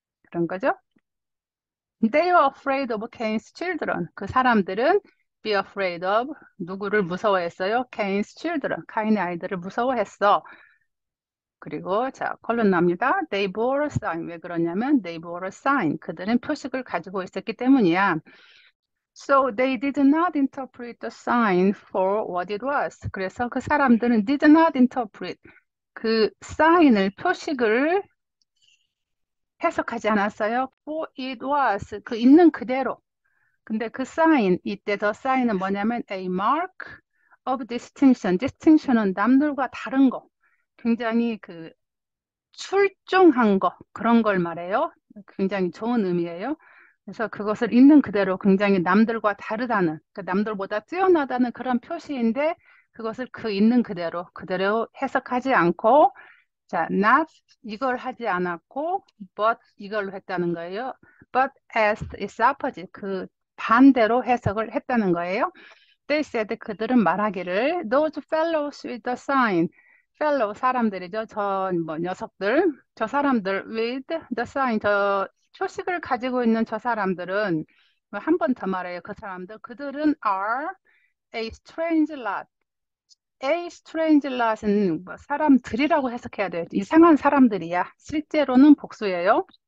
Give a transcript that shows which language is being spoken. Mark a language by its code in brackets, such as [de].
[ko] 그런 거죠. [en] They were afraid of Cain's children. [ko] 그 사람들은 [en] Be afraid of [ko] 누구를 무서워했어요? [en] Cain's children, [ko] 카인의 아이들을 무서워했어. 그리고 자, 콜론 나옵니다. [en] They bore a sign. [ko] 왜 그러냐면 [en] they bore a sign. [ko] 그들은 표식을 가지고 있었기 때문이야. [en] So they did not interpret the sign for what it was. [ko] 그래서 그 사람들은 [en] did not interpret [ko] 그 sign을 표식을 해석하지 않았어요. [en] For it was [ko] 그 있는 그대로. 근데 그 사인, 이때 더 사인은 뭐냐면 [en] a mark of distinction. [ko] distinction은 남들과 다른 거, 굉장히 그 출중한 거, 그런 걸 말해요. 굉장히 좋은 의미예요. 그래서 그것을 있는 그대로 굉장히 남들과 다르다는, 그 남들보다 뛰어나다는 그런 표시인데 그것을 그 있는 그대로 해석하지 않고 자, not 이걸 하지 않았고 but 이걸로 했다는 거예요. [en] but as its opposite [ko] 그 반대로 해석을 했다는 거예요. [en] They said [ko] 그들은 말하기를 [en] Those fellows with the sign. [ko] Fellow 사람들이죠. 저뭐 녀석들. 저 사람들 [en] with the sign. [ko] 저 초식을 가지고 있는 저 사람들은 한번더 말해요. 그 사람들. 그들은 [en] are a strange lot. A strange lot [ko] 은 뭐 사람들이라고 해석해야 돼요. 이상한 사람들이야. 실제로는 복수예요.